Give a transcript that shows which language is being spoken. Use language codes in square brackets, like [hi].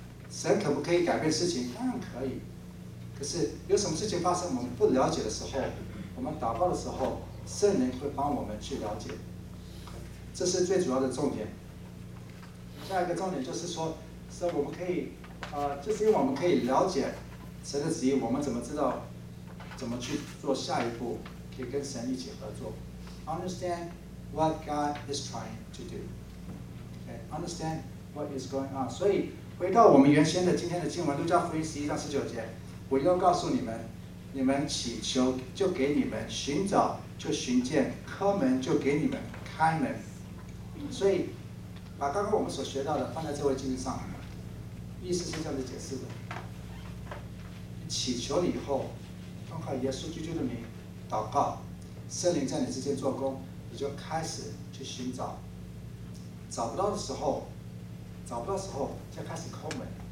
[zh] 神可不可以改变事情？当然可以。可是有什么事情发生我们不了解的时候，我们祷告的时候，圣灵会帮我们去了解，这是最主要的重点。下一个重点就是说，是我们可以就是因为我们可以了解神的旨意，我们怎么知道怎么去做下一步，可以跟神一起合作。 [en] Understand what God is trying to do、okay? Understand what is going on。 [zh] 所以回到我们原先的今天的经文，路加福音十一章十九节，我又告诉你们，你们祈求就给你们，寻找就寻见，叩门就给你们开门。所以把刚刚我们所学到的放在这位经文上，意思是这样子解释的，祈求了以后，通过耶稣基督的名祷告，圣灵在你之间做工，你就开始去寻找，找不到的时候就开始叩门。